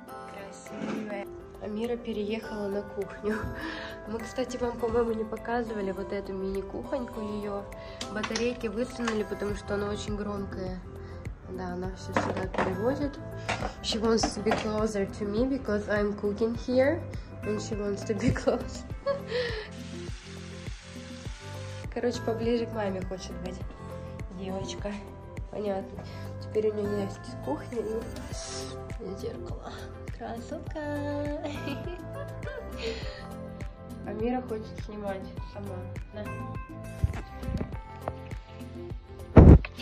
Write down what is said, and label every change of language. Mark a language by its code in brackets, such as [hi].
[ru] Красивая. Мира переехала на кухню. Мы, кстати, вам, по-моему, не показывали вот эту мини-кухоньку ее. Батарейки высунули, потому что она очень громкая. Да, она все сюда переводит. [en] She wants to be closer to me, because I'm cooking here. And she wants to be close. [ru] Короче, поближе к маме хочет быть. Девочка. Понятно. Теперь у нее есть кухня и зеркало. Красотка! Амира хочет снимать сама.